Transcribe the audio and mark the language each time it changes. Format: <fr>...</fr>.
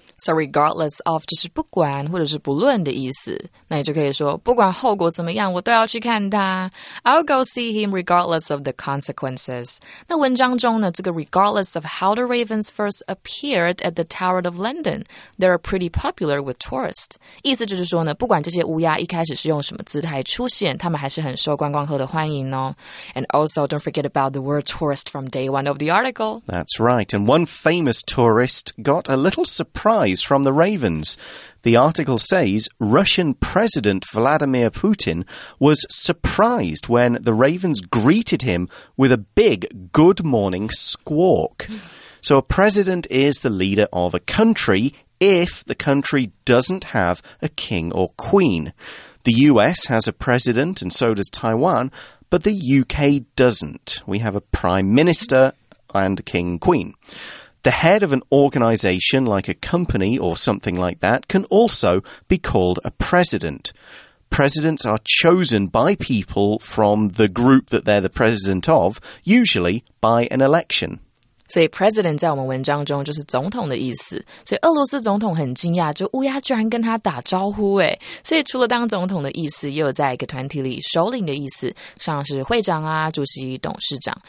<zh>So regardless of 就是不管或者是不论的意思，那你就可以说不管后果怎么样，我都要去看他。</zh> <en>I'll go see him regardless of the consequences.</en> <zh>那文章中呢，这个</zh> <en>regardless of how the ravens first appeared at the Tower of London, they're pretty popular with tourists.</en> <zh>意思就是说呢，不管这些乌鸦一开始是用什么姿态出现，他们还是很受观光客的欢迎哦。</zh> <en>And also, don't forget about the word tourist from day 1 of the article. That's right. And one famous tourist got a little surprised from the ravens. The article says Russian President Vladimir Putin was surprised when the ravens greeted him with a big good morning squawk. So a president is the leader of a country if the country doesn't have a king or queen. The US has a president and so does Taiwan, but the UK doesn't. We have a prime minister and a king and queen. The head of an organization like a company or something like that can also be called a president. Presidents are chosen by people from the group that they're the president of, usually by an election.</en> <zh>所以 president 在我们文章中就是总统的意思。所以俄罗斯总统很惊讶，就乌鸦居然跟他打招呼耶。所以除了当总统的意思，也有在一个团体里首领的意思，像是会长啊、主席、董事长。</zh>